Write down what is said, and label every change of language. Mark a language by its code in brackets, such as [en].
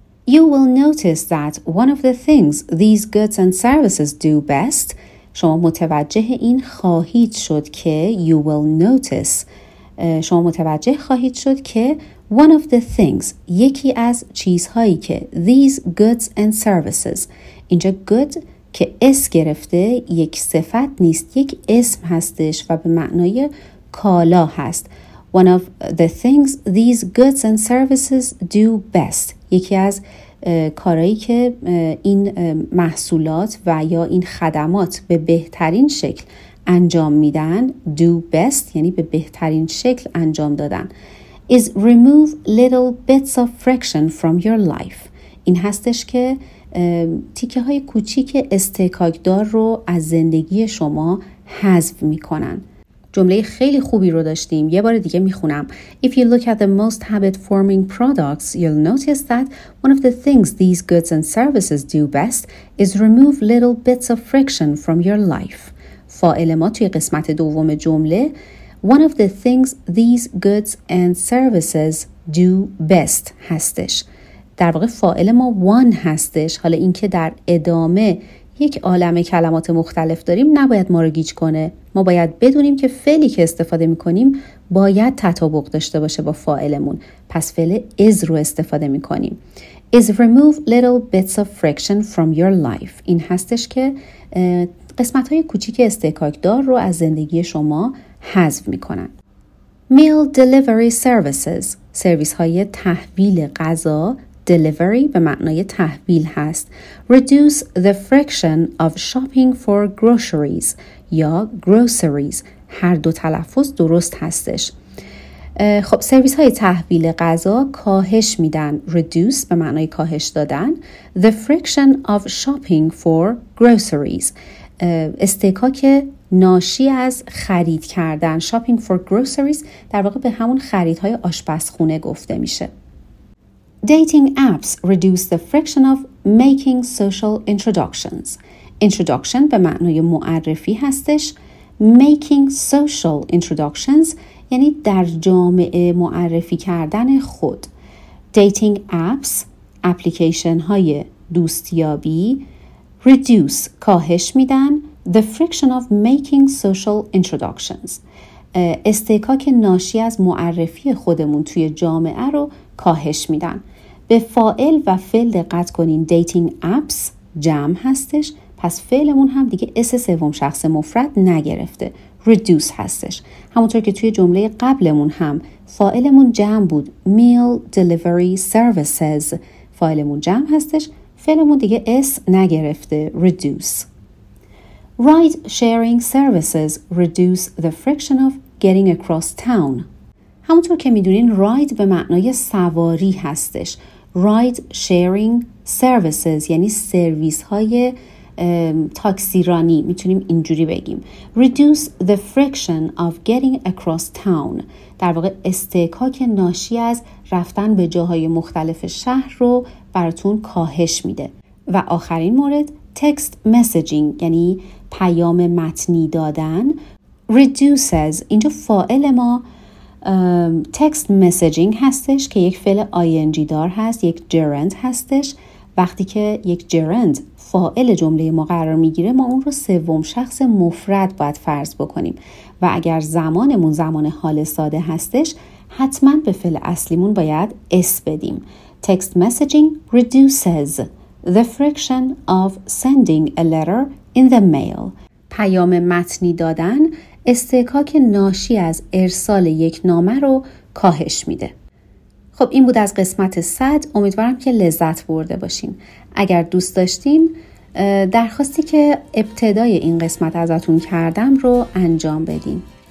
[en] you will notice that one of the things these goods and services do best, [fa] شما متوجه این خواهید شد که [en] you will notice, [fa] شما متوجه خواهید شد که [en] one of the things, [fa] یکی از چیزهایی که [en] these goods and services, [fa] اینجا good که اس گرفته یک صفت نیست, یک اسم هستش و به معنای کالا هست. [en] One of the things these goods and services do best. [fa] یکی از کارهایی که این محصولات و یا این خدمات به بهترین شکل انجام میدن, [en] do best [fa] یعنی به بهترین شکل انجام دادن, [en] is remove little bits of friction from your life. [fa] این هستش که تیکه های کوچیک استکاکدار رو از زندگی شما حذف میکنن. جمله خیلی خوبی رو داشتیم. یه بار دیگه میخونم. [en] If you look at the most habit-forming products, you'll notice that one of the things these goods and services do best is remove little bits of friction from your life. [fa] فاعل ما توی قسمت دوم جمله. [en] One of the things these goods and services do best هستش. [fa] در واقع فاعل ما وان هستش. حالا اینکه در ادامه یک عالمه کلمات مختلف داریم نباید ما رو گیج کنه. ما باید بدونیم که فعلی که استفاده می‌کنیم باید تطابق داشته باشه با فاعلمون. پس فعل is رو استفاده می‌کنیم. [en] Is remove little bits of friction from your life. [fa] این هستش که قسمت‌های کوچیک استکاکدار رو از زندگی شما حذف می‌کنن. [en] Meal delivery services. [fa] سرویس‌های تحویل غذا. Delivery به معنای تحویل هست. [en] Reduce the friction of shopping for groceries یا groceries. [fa] هر دو تلفظ درست هستش. خب سرویس های تحویل غذا کاهش میدن. Reduce به معنای کاهش دادن. [en] The friction of shopping for groceries. [fa] استکاک ناشی از خرید کردن. [en] Shopping for groceries [fa] در واقع به همون خریدهای آشپزخونه گفته میشه. [en] Dating apps reduce the friction of making social introductions. [fa] Introduction به معنای معرفی هستش. [en] Making social introductions [fa] یعنی در جامعه معرفی کردن خود. [en] Dating apps، [fa] اپلیکیشن های دوستیابی، [en] reduce [fa] کاهش میدن [en] the friction of making social introductions. [fa] استکاک ناشی از معرفی خودمون توی جامعه رو کاهش میدن. به فاعل و فعل دقت کنین، [en] dating apps [fa] جمع هستش، پس فعلمون هم دیگه اس سوم شخص مفرد نگرفته، reduce هستش. همونطور که توی جمله قبلمون هم فاعلمون جمع بود، [en] meal delivery services، [fa] فاعلمون جمع هستش، فعلمون دیگه اس نگرفته، reduce. [en] Ride sharing services reduce the friction of getting across town. [fa] همونطور که میدونین راید به معنای سواری هستش. راید شیرینگ سرویسز یعنی سرویس های تاکسی رانی، میتونیم اینجوری بگیم. [en] Reduce the friction of getting across town. [fa] در واقع استکاک ناشی از رفتن به جاهای مختلف شهر رو براتون کاهش میده. و آخرین مورد تکست مسیجینگ یعنی پیام متنی دادن. Reduces اینجا فاعل ما تکست مسیجینگ هستش که یک فعل آینجی دار هست، یک جرند هستش. وقتی که یک جرند فاعل جمله ما قرار میگیره، ما اون رو سوم شخص مفرد باید فرض بکنیم و اگر زمانمون زمان حال ساده هستش حتما به فعل اصلیمون باید اس بدیم. [en] Text messaging reduces the friction of sending a letter in the mail. [fa] پیام متنی دادن استکاک ناشی از ارسال یک نامه رو کاهش میده. خب این بود از قسمت 100. امیدوارم که لذت برده باشین. اگر دوست داشتین، درخواستی که ابتدای این قسمت ازتون کردم رو انجام بدین.